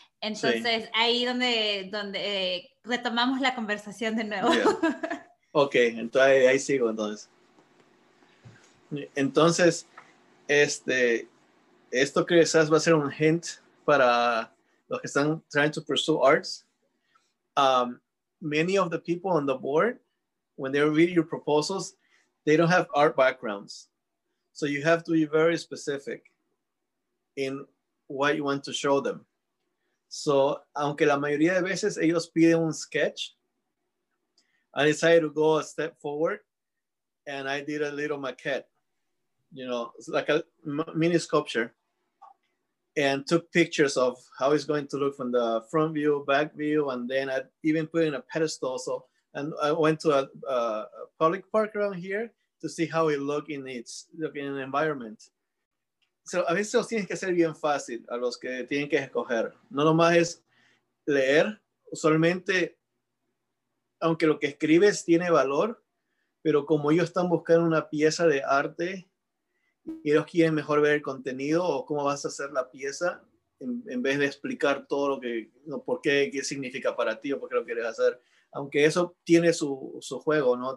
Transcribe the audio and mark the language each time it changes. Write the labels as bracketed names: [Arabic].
[Spanish] Entonces, sí. Ahí donde retomamos la conversación de nuevo. Yeah. Ok, entonces ahí sigo entonces. Entonces, esto quizás va a ser un hint para los que están [English] trying to pursue arts. Many of the people on the board, when they read your proposals, they don't have art backgrounds. So you have to be very specific in what you want to show them. So, [Spanish] aunque la mayoría de veces ellos piden un sketch, [English] I decided to go a step forward and I did a little maquette, you know, like a mini sculpture, and took pictures of how it's going to look from the front view, back view, and then I even put in a pedestal. So, and I went to a public park around here to see how it looked in its looking in the environment. [Spanish] So a veces los tienes que hacer bien fácil a los que tienen que escoger. No nomás es leer, usualmente, aunque lo que escribes tiene valor, pero como ellos están buscando una pieza de arte y ellos quieren mejor ver el contenido o cómo vas a hacer la pieza, en vez de explicar todo lo que, no, por qué, qué significa para ti o por qué lo quieres hacer, aunque eso tiene su juego, ¿no?